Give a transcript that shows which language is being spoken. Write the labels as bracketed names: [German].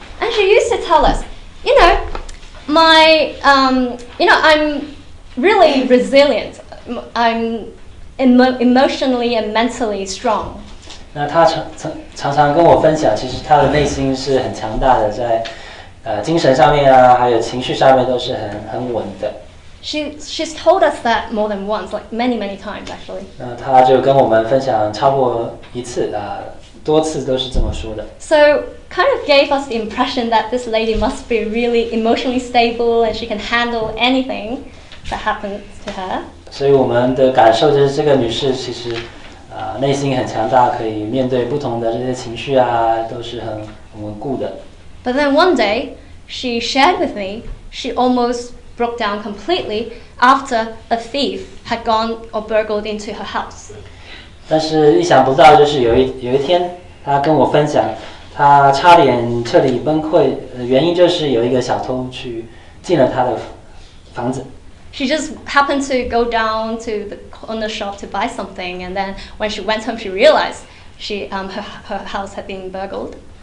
[English] And she used to tell us, you know, I'm really resilient. I'm emotionally and mentally strong. [Chinese] 那她常常跟我分享，其实她的内心是很强大的，在精神上面啊，还有情绪上面都是很稳的。 [English] She's told us that more than once, like many, many times actually. [Chinese] 那她就跟我们分享超过一次啊，多次都是这么说的。 [English] So kind of gave us the impression that this lady must be really emotionally stable and she can handle anything that happens to her. [Chinese] 所以我们的感受就是这个女士其实内心很强大，可以面对不同的这些情绪啊，都是很稳固的。 [English] But then one day, she shared with me, she almost broke down completely after a thief had gone or burgled into her house. [Chinese] 但是意想不到，就是有一天，她跟我分享，她差点彻底崩溃，原因就是有一个小偷去进了她的房子。 [English] She just happened to go down to the corner shop to buy something, and then when she went home, she realized her house had been burgled.